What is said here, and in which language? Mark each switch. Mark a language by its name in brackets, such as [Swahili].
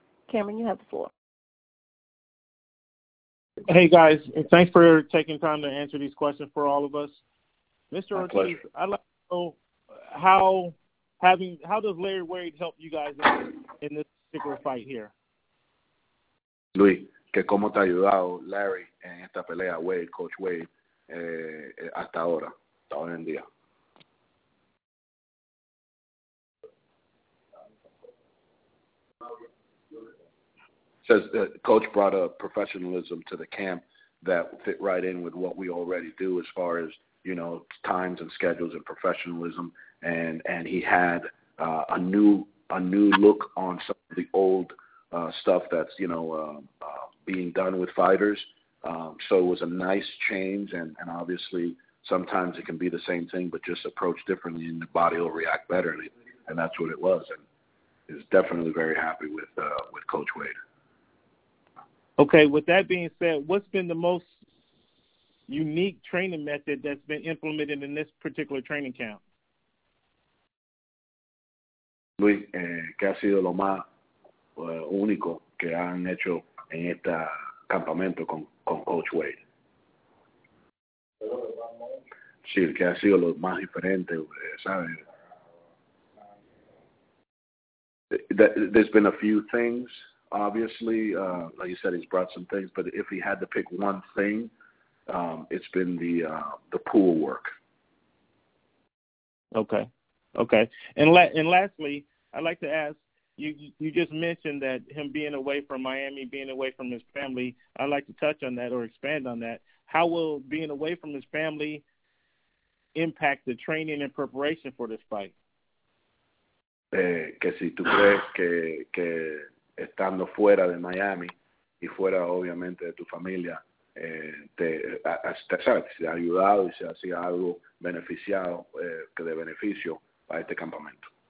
[English] Cameron, you have the floor. Hey, guys. Thanks for taking time to answer these questions for all of us. Mr. My Ortiz, pleasure. I'd like to know how does Larry Wade help you guys in this particular fight here? [Spanish] Luis, que cómo te ha ayudado Larry en esta pelea, Wade, Coach Wade, hasta ahora, hasta hoy en día. [English] Says the coach brought a professionalism to the camp that fit right in with what we already do as far as, you know, times and schedules and professionalism. And he had a new look on some of the old stuff that's, you know, being done with fighters. So it was a nice change. And obviously sometimes it can be the same thing, but just approach differently and the body will react better. And that's what it was. And is definitely very happy with Coach Wade. Okay, with that being said, what's been the most unique training method that's been implemented in this particular training camp? [Spanish] Luis, ¿qué ha sido lo más único que han hecho en este campamento con Coach Wade? Sí, ¿qué ha sido lo más diferente, sabes? [English] There's been a few things. Obviously, like you said, he's brought some things, but if he had to pick one thing, it's been the pool work. Okay. And lastly, I'd like to ask, you just mentioned that him being away from Miami, being away from his family, I'd like to touch on that or expand on that. How will being away from his family impact the training and preparation for this fight? [Spanish] Que si tú crees que estando fuera de Miami y fuera obviamente de tu familia te ha ayudado y se hacía algo beneficiado que de beneficio a este campamento.